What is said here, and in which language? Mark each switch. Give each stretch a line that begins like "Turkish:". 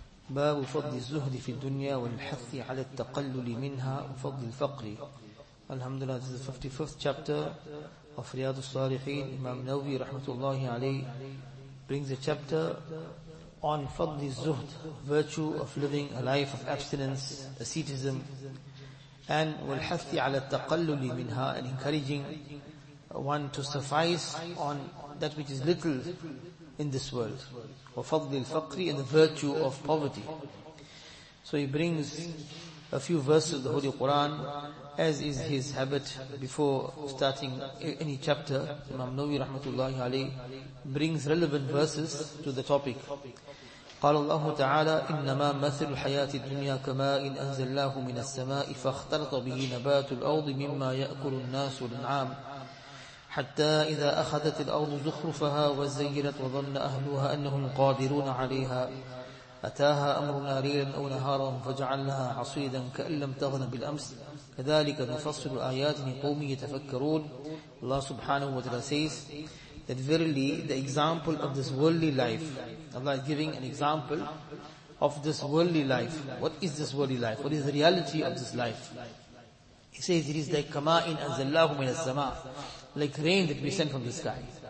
Arabic: باب فضل الزهد في الدنيا والحث على التقلل منها وفضل الفقر. الحمد لله.
English: This is the 55th chapter of رياض الصالحين. Imam Nawawi rahmatullahi alayh brings a chapter on فضل الزهد, virtue of living a life of abstinence, asceticism, and
Arabic: والحث على التقلل منها,
English: and encouraging one to suffice on that which is little in this world.
Arabic: وَفَضْلِ الْفَقْرِ,
English: and the virtue of poverty. So he brings a few verses of the Holy Quran, as is his habit before starting any chapter. Imam Nawawi rahmatullahi alayh brings relevant verses to the topic.
Arabic: قال الله تعالى إنما مثل الحياة الدنيا كماء أنزل الله من السماء فاختلط به نبات الأرض مما يأكل الناس والأنعام حتى إذا أخذت الأرض زخرفها وزينت وظن أهلها أنهم قادرون عليها أتاها أمرنا ليلا أو نهارا فجعلها حصيدا كأن لم تغن بالأمس كذلك نفصل الآيات لقوم يتفكرون.
English: الله سبحانه وتعالى says that verily the example of this worldly life, Allah is giving an example of this worldly life. What is this worldly life? What is the reality of this life? He says it is like
Arabic: kama'in anzallahu min as-sama',
English: like rain that we send from the sky.